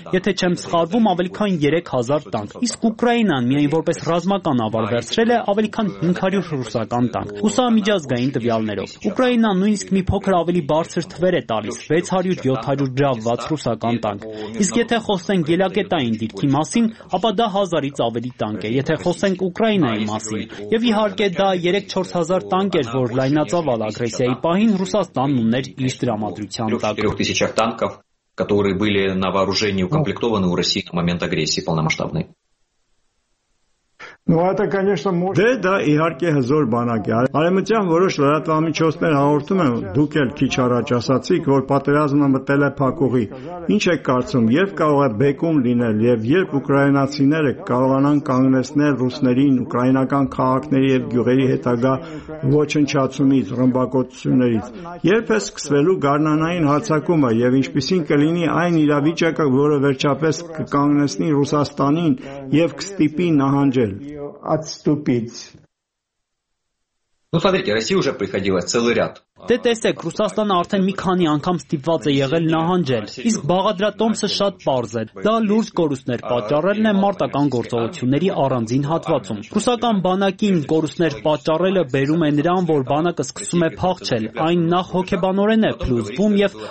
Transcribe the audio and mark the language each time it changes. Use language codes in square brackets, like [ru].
[hy] եթե չեմ սխալվում, ավելի քան 3000 տանկ, իսկ Ուկրաինան միայն որպես ռազմական ավար վերցրել է ավելի քան 500 ռուսական տանկ հուսամիջազգային տվյալներով։ Ուկրաինան նույնիսկ մի փոքր ավելի բարձր թվեր է տալիս՝ 600-700 դրամված ռուսական տանկ, իսկ եթե խոսենք ելակետային դիրքի մասին, ապա դա 1000-ից ավելի տանկ է, եթե խոսենք Ուկրաինայի մասին, եւ իհարկե դա 3-4000 տանկեր, որ լայնածավ ագրեսիայի պահին Ռուսաստանն ուներ իր դրամատրության տակ։ [ru] 3000 [hy] տանկով, [ru] которые были на вооружении укомплектованы у России в момент агрессии полномасштабной. Ну, это, конечно, может. [hy] Դե դա իհարկե հզոր բանակ է։ Արևմտյան որոշ լրատվամիջոցներ հաղորդում են, դուք էլ քիչ առաջ ասացիք, որ պատերազմը մտել է փակուղի։ Ինչ եք կարծում, երբ կարող է բեկում լինել եւ երբ ուկրաինացիները կարողանան կանգնեցնել ռուսներին ուկրաինական քաղաքների եւ գյուղերի հետագա ոչնչացումից, ռմբակոծություններից։ Երբ է սկսվելու գարնանային հարձակումը եւ ինչպիսին կլինի այն իրավիճակը, որը վերջապես կկանգնեցնի Ռուսաստանին եւ կստիպի նահանջել։ [ru] отступить. Ну, смотрите, Россия уже приходила целый ряд. [hy] Դե տեսեք, Ռուսաստանը արդեն մի քանի անգամ ստիպված է եղել նահանջել, իսկ Բաղադրատոմսը շատ պարզ է, դա լուրջ կորուստներ պատճառելն է մարտական գործողությունների առանձին հատվածում։ Ռուսական բանակին կորուստներ պատճառելը բերում է նրան, որ բանակը սկսում է փախչել, այն նախ հոգեբանորեն է փլուզվում և